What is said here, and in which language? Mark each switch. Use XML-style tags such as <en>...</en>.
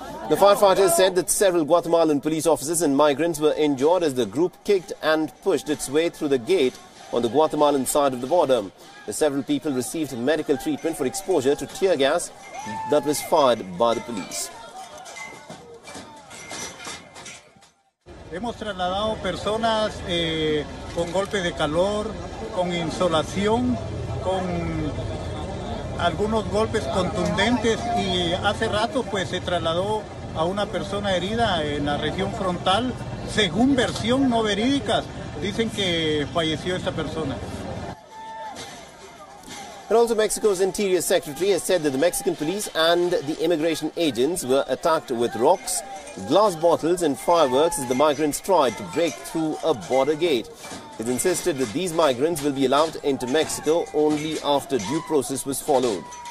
<en>The firefighters said that several Guatemalan police officers and migrants were injured as the group kicked and pushed its way through the gate on the Guatemalan side of the border. Several people received medical treatment for exposure to tear gas that was fired by the police.</en> <es>Hemos trasladado personas con golpes de calor, con insolación, con algunos golpes contundentes, y hace rato pues se trasladó a una persona herida en la región frontal. Según versión no verídicas, dicen que falleció esta persona.</es> <en>And also, Mexico's Interior Secretary has said that the Mexican police and the immigration agents were attacked with rocks, glass bottles and fireworks as the migrants tried to break through a border gate. It insisted that these migrants will be allowed into Mexico only after due process was followed.</en>